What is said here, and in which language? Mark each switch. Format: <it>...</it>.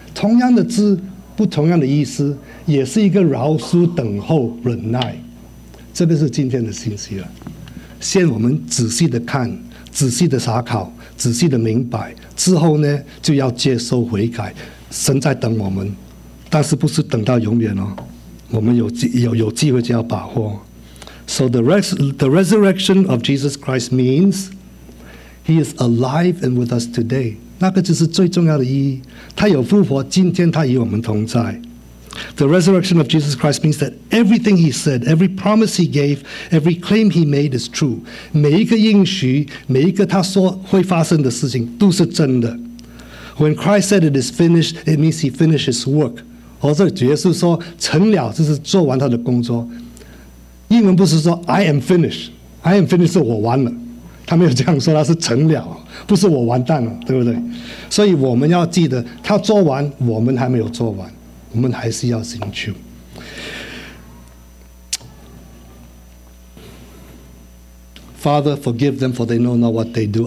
<zh>同样的字，不同样的意思，也是一个饶恕、等候、忍耐。这个是今天的信息了。先我们仔细的看，仔细的查考，仔细的明白之后呢，就要接受悔改。神在等我们，但是不是等到永远哦？我们有机会就要把握。</zh> <en>So the resurrection of Jesus Christ means he is alive and with us today.</en> <zh>那个就是最重要的意义，他有复活，今天他与我们同在。</zh> <en>The resurrection of Jesus Christ means that everything he said, every promise he gave, every claim he made is true.</en> <zh>每一个应许，每一个他说会发生的事情都是真的。</zh> <en>When Christ said it is finished, it means he finished his work.</en> <zh>或者主耶稣说成了，就是做完他的工作。英文不是说</zh> <en>I am finished, I am finished</en> <zh>是我完了，他没有这样说，他是成了，不是我完蛋了，对不对？所以我们要记得，他做完，我们还没有做完，我们还是要行去。</zh> <en>Father, forgive them, for they know not what they do.</en>